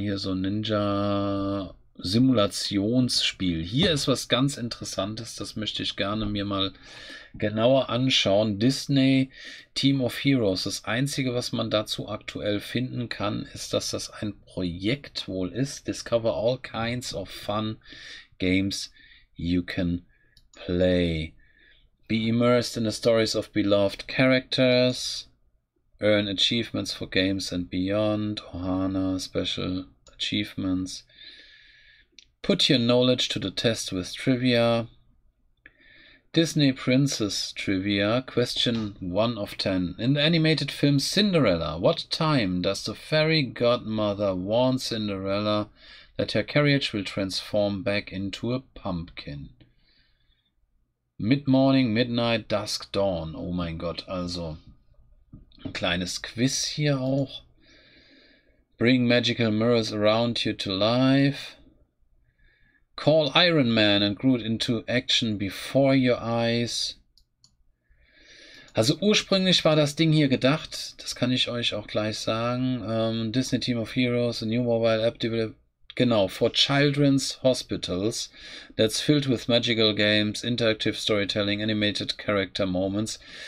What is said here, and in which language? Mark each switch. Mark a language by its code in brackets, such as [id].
[de] Hier so ein Ninja-Simulationsspiel. Hier ist was ganz Interessantes, das möchte ich gerne mir mal genauer anschauen. Disney Team of Heroes. Das Einzige, was man dazu aktuell finden kann, ist, dass das ein Projekt wohl ist. [en] Discover all kinds of fun games you can play. Be immersed in the stories of beloved characters. Earn achievements for games and beyond. Ohana Special Achievements. Put your knowledge to the test with trivia. Disney Princess Trivia, question 1 of 10. In the animated film Cinderella, what time does the fairy godmother warn Cinderella that her carriage will transform back into a pumpkin? Mid-morning, midnight, dusk, dawn. [de] Oh mein Gott, also ein kleines Quiz hier auch. [en] Bring magical mirrors around you to life. Call Iron Man and Groot into action before your eyes. [de] Also ursprünglich war das Ding hier gedacht, das kann ich euch auch gleich sagen. [en] Disney Team of Heroes, a new mobile app developed, [de] genau, [en] for children's hospitals that's filled with magical games, interactive storytelling, animated character moments.